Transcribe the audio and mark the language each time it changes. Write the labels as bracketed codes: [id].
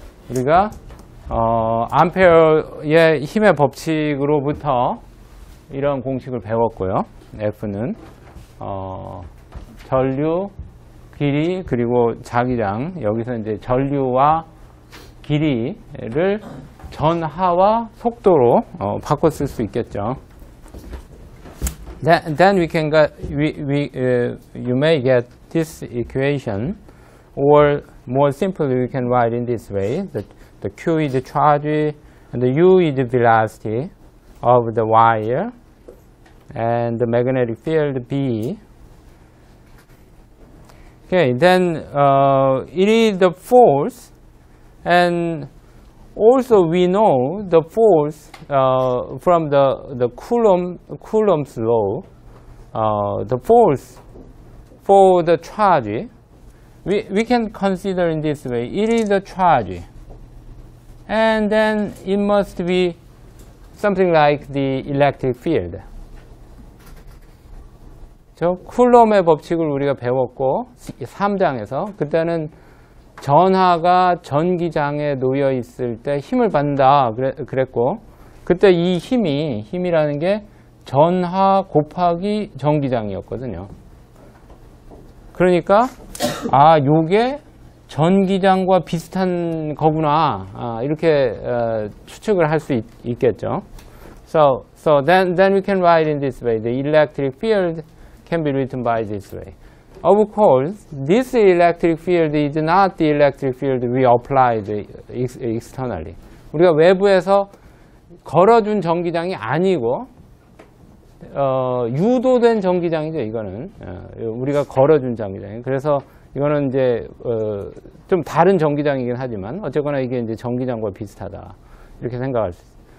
[ko] 우리가 암페어의 힘의 법칙으로부터 이런 공식을 배웠고요. F는 전류, 길이, 그리고 자기장. 여기서 이제 전류와 길이를 전하와 속도로 바꿔 쓸 수 있겠죠. [en] then we can get you may get this equation, or more simply we can write in this way that the Q is the charge and the U is the velocity of the wire, and the magnetic field B. Okay, then it is the force, and also we know the force from the Coulomb's law. The force for the charge, we can consider in this way. It is the charge, and then it must be something like the electric field. [ko] 쿨럼의 법칙을 우리가 배웠고 3장에서 그때는 전하가 전기장에 놓여 있을 때 힘을 받는다 그랬고 그때 이 힘이라는 게 전하 곱하기 전기장이었거든요. 그러니까 아 요게 전기장과 비슷한 거구나 이렇게 추측을 할 수 있겠죠. [en] So then we can write in this way the electric field. Can be written by this way. Of course, this electric field is not the electric field we applied externally. [ko] 우리가 외부에서 걸어준 전기장이 아니고 유도된 전기장이죠. 이거는 우리가 걸어준 전기장. 그래서 이거는 이제 좀 다른 전기장이긴 하지만 어쨌거나 이게 이제 전기장과 비슷하다 이렇게 생각할 수.